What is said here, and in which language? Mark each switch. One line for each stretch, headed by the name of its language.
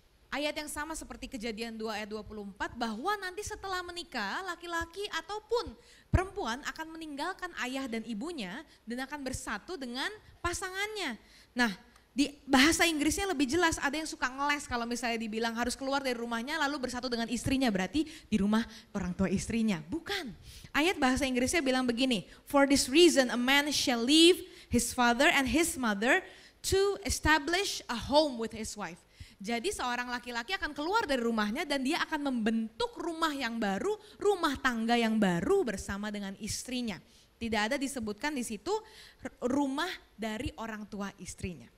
Indonesian: ayat yang sama seperti Kejadian 2 ayat 24, bahwa nanti setelah menikah, laki-laki ataupun perempuan akan meninggalkan ayah dan ibunya dan akan bersatu dengan pasangannya. Nah, di bahasa Inggrisnya lebih jelas, ada yang suka ngeles kalau misalnya dibilang harus keluar dari rumahnya lalu bersatu dengan istrinya, berarti di rumah orang tua istrinya. Bukan. Ayat bahasa Inggrisnya bilang begini,
English: "For this reason a man shall leave his father and his mother to establish a home with his wife."
Indonesian: Jadi seorang laki-laki akan keluar dari rumahnya dan dia akan membentuk rumah yang baru, rumah tangga yang baru bersama dengan istrinya. Tidak ada disebutkan di situ rumah dari orang tua istrinya.